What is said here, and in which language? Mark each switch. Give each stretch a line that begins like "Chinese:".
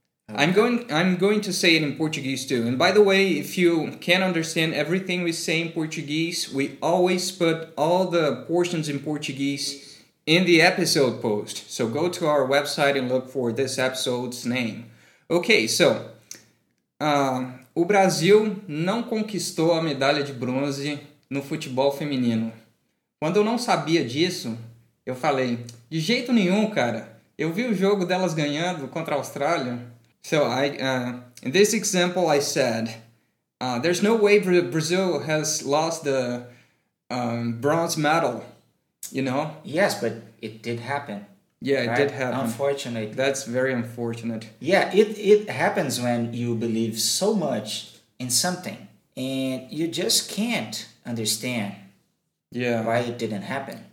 English: I'm going to say it in Portuguese, too. And by the way, if you can't understand everything we say in Portuguese, we always put all the portions in Portuguese in the episode post. So go to our website and look for this episode's name. Okay, so...
Portuguese: O Brasil não conquistou a medalha de bronze no futebol feminino. Quando eu não sabia disso, eu falei, de jeito nenhum, cara. Eu vi o jogo delas ganhando contra a Austrália.
English: So, in this example, I said, there's no way Brazil has lost the bronze medal, you know? Yes, but it did happen. Yeah, it did happen. Unfortunately. That's very unfortunate. Yeah, it happens when you believe so much in something and you just can't understand why it didn't happen.